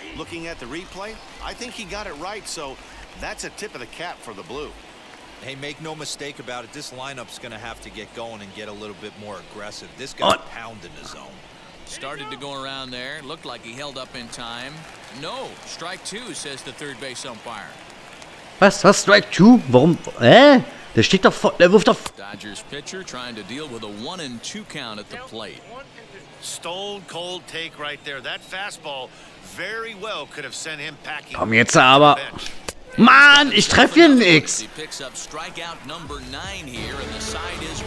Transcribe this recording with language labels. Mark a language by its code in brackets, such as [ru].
[en] Looking at the replay, I think he got it right, so that's a tip of the cap for the Blue. Hey, make no mistake about it, this lineup's going to have to get going and get a little bit more aggressive. This guy pounded the zone. Started to go around there, looked like he held up in time. No, strike two, says the third base umpire. [de] Was, [en] strike two? [de] Warum, Der steht doch vor, der wirft doch. [en] Dodgers pitcher trying to deal with a 1-2 count at the plate. Stone cold take right there. That fastball very well could have sent him packing. [de] Komm jetzt aber. Mann, ich treffe hier nichts. [en] He picks up strikeout number 9 here and the side is.